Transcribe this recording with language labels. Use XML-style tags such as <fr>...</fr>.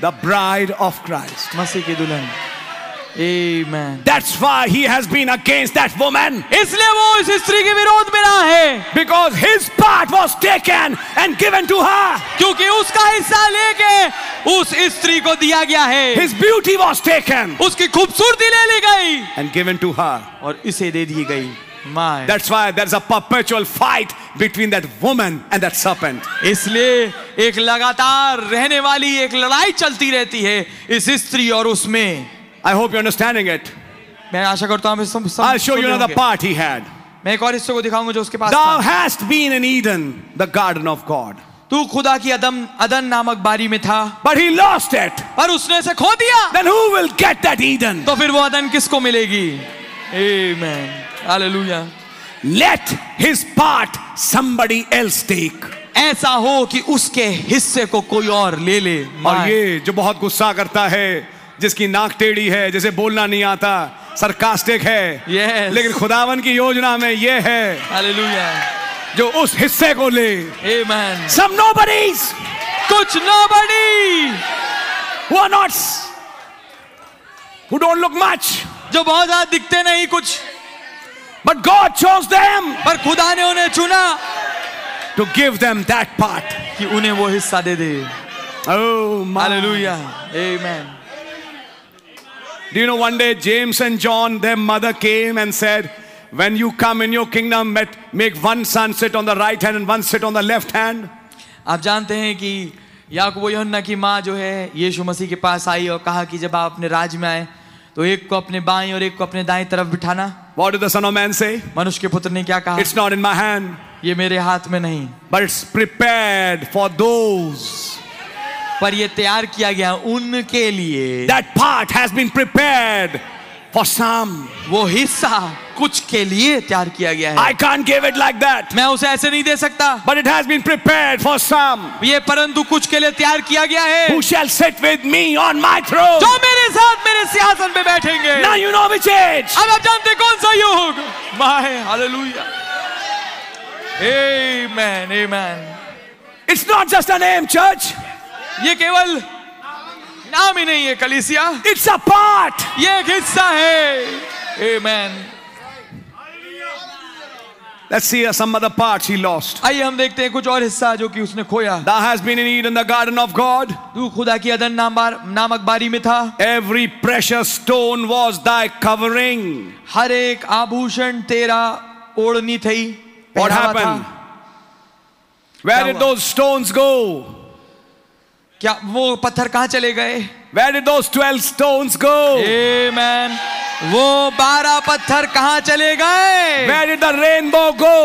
<en>the bride of Christ,</en> <hi>मसीह की दुल्हन. Amen.</hi> <en>That's why he has been against that woman.</en> <hi>इसलिए वो इस स्त्री के विरोध में रहा है.</hi> <en>Because his part was taken and given to her.</en> <hi>क्योंकि उसका हिस्सा लेके उस स्त्री को दिया गया है.</hi> <en>His beauty was taken.</en> <hi>उसकी खूबसूरती ले ली गई.</hi> <en>And given to her.</en> <hi>और इसे दे दी गई. My.</hi> <en>That's why there's a perpetual fight between that woman and that serpent.</en> <hi>इसलिए एक लगातार रहने वाली एक लड़ाई चलती रहती है इस स्त्री और उसमें.</hi> <en>I hope you're understanding it.</en> <hi>मैं आशा करता हूँ आप इस सब.</hi> <en>I'll show you another part he had.</en> <hi>मैं एक और हिस्से को दिखाऊंगा जो उसके पास था.</hi> <en>Thou hast been in Eden, the garden of God.</en> <hi>तू खुदा की अदन नामक बारी में था.</hi> <en>But he lost it.</en> <hi>पर उसने इसे खो दिया.</hi> <en>Then who will get that Eden?</en> <hi>तो फिर वो अदन किसको मिलेगी? Amen. Hallelujah.</hi> <en>Let his part somebody else take.</en> <hi>ऐसा हो कि उसके हिस्से को कोई और ले ले. और ये जो बहुत गुस्सा करता है, जिसकी नाक टेढ़ी है, जिसे बोलना नहीं आता, सरकास्टिक है.</hi> <en>Yes.</en> <hi>लेकिन खुदावन की योजना में ये है. Hallelujah. जो उस हिस्से को ले. Amen.</hi> <en>Some nobodies.</en> <hi>कुछ nobody.</hi> <en>Who are not. Who don't look much.</en> <hi>जो बहुत ज्यादा दिखते नहीं कुछ.</hi> <en>But God chose them.</en> <hi>पर खुदा ने उन्हें चुना.</hi> <en>To give them that part.</en> <hi>कि उन्हें वो हिस्सा दे दे.</hi> <en>Oh, my. Hallelujah. Amen. Do you know one day James and John, their mother came and said, when you come in your kingdom, make one son sit on the right hand and one sit on the left hand.</en> <hi>आप जानते हैं कि याकूब और यूहन्ना की माँ जो है यीशु मसीह के पास आई और कहा कि जब आप अपने राज में आए तो एक को अपने बाएं और एक को अपने दाएं तरफ बिठाना.</hi> <en>What did the son of man say?</en> <hi>मनुष्य के पुत्र ने क्या कहा?</hi> <en>It's not in my hand.</en> <hi>ये मेरे हाथ में नहीं.</hi> <en>But it's prepared for those.</en> <hi>पर ये तैयार किया गया उनके लिए.</hi> <en>That part has been prepared for some.</en> <hi>वो हिस्सा कुछ के लिए तैयार किया गया है.</hi> <en>I can't give it like that.</en> <hi>मैं उसे ऐसे नहीं दे सकता.</hi> <en>But it has been prepared for some.</en> <hi>ये परंतु कुछ के लिए तैयार किया गया है.</hi> <en>Who shall sit with me on my throne?</en> <hi>जो मेरे साथ मेरे सिंहासन पे बैठेंगे.</hi> <en>Now you know which age.</en> <hi>अब आप जानते कौन सा युग. My hallelujah. Amen, amen.</hi> <en>It's not just a name, church.</en> <hi>ये केवल नाम ही नहीं है कलीसिया.</hi> <en>It's a part.</en> <hi>ये एक हिस्सा है. आमेन.</hi> <en>Let's see some other parts he lost.</en> <hi>आइए हम देखते हैं कुछ और हिस्सा जो कि उसने खोया.</hi> <en>Thou hast been in Eden the garden of God.</en> <hi>तू खुदा की अदन नामक बारी में था.</hi> <en>Every precious stone was thy covering.</en> <hi>हर एक आभूषण तेरा ओढ़नी थी.</hi> <en>What happened? Where did those stones go?</en> <hi>क्या वो पत्थर कहां चले गए?</hi> <en>Where did those 12 stones go?</en> <hi>Amen. वो 12 पत्थर कहां चले गए?</hi> <en>Where did the rainbow go?</en>